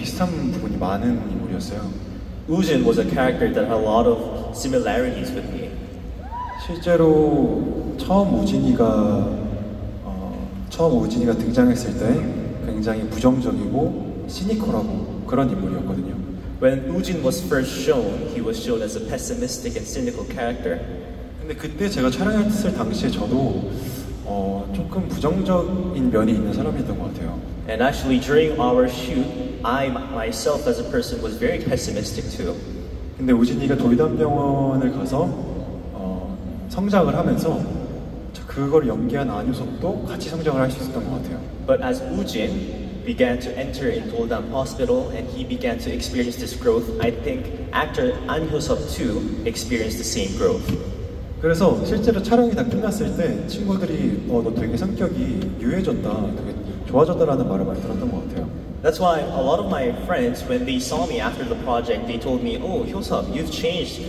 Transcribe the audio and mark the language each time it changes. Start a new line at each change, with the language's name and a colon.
English: Woojin was a character that had a lot of similarities with me.
Korean: 실제로 처음 우진이가 등장했을 때 굉장히 부정적이고 시니컬하고 그런 인물이었거든요.
English: When Woojin was first shown, he was shown as a pessimistic and cynical character.
Korean: 근데 그때 제가 촬영했을 당시에 저도 조금 부정적인 면이 있는 사람이었던 것 같아요.
English: And actually, during our shoot, I myself as a person was very pessimistic too.
Korean: 근데 우진이가 돌담병원을 가서 성장을 하면서 그걸 연기한 안효섭도 같이 성장을 할 수 있었던 것 같아요.
English: But as Woojin began to enter in Doldam Hospital and he began to experience this growth, I think actor Ahn Hyo Seop too experienced the same growth.
Korean: 그래서 실제로 촬영이 다 끝났을 때 친구들이 너 되게 성격이 유해졌다, 되게 좋아졌다라는 말을 많이 들었던 것 같아요.
English: That's why a lot of my friends, when they saw me after the project, they told me, Oh, Hyo Seop, you've changed.